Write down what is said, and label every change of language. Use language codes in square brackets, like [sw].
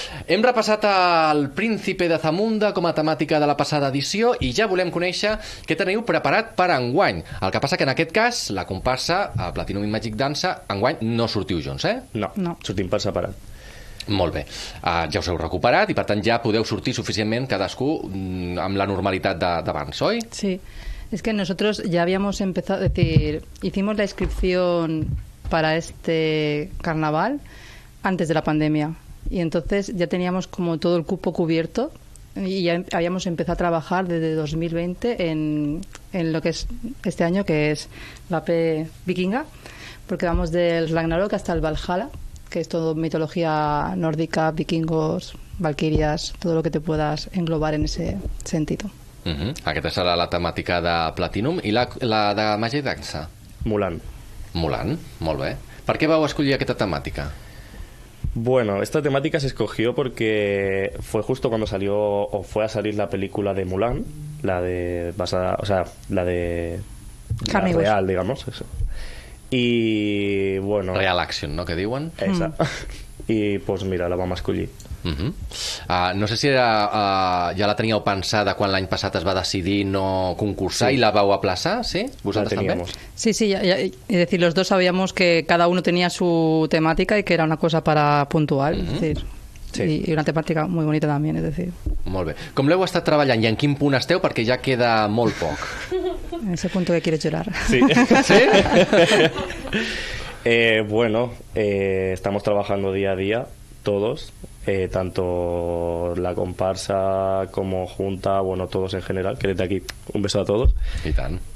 [ca] Hem repassat el Príncipe de Zamunda com a temàtica de la passada edició i ja volem conèixer què teniu preparat per enguany. El que passa que en aquest cas la comparsa, Platinum in Magic Dance, enguany no sortiu junts, eh? No, sortim per separat. Molt bé, ja us heu recuperat i per tant ja podeu sortir suficientment cadascú amb la normalitat d'abans, oi? [es] Sí, es que nosotros ya habíamos empezado, es decir, hicimos la inscripción para este carnaval antes de la pandemia y entonces ya teníamos como todo el cupo cubierto y ya habíamos empezado a trabajar desde 2020 en lo que es este año, que es la P vikinga, porque vamos del Ragnarok hasta el Valhalla, que es todo mitología nórdica, vikingos, valquirias, todo lo que te puedas englobar en ese sentido. Uh-huh. [ca] Aquesta serà la temàtica de Platinum. I la de màgia i dansa? Mulan. Mulan, molt bé. Per què vau escollir aquesta temàtica? [es] Bueno, esta temática se escogió porque fue justo cuando salió o fue a salir la película de Mulan, la de basada, o sea, la de la real, digamos, eso. Y bueno, [ca] Real Action, ¿no? Que diuen. [es] Esa. Y pues mira, la [ca] vam escollir. Uh-huh. No sé si era, ja la teníeu pensada quan l'any passat es va decidir no concursar, sí. I la vau aplaçar, sí? Vosaltres també? [es] Sí, sí, ya, es decir, los dos sabíamos que cada uno tenía su temática y que era una cosa para puntual, uh-huh. Es decir, sí. Y una temática muy bonita también, es decir. [ca] Molt bé. Com l'heu estat treballant i en quin punt esteu? Perquè ja queda molt poc. [es] En ese punto que quieres llorar. Sí. ¿Sí? Bueno, estamos trabajando día a día, todos, tanto la comparsa como junta, bueno, todos en general, que desde aquí un beso a todos. Y tan.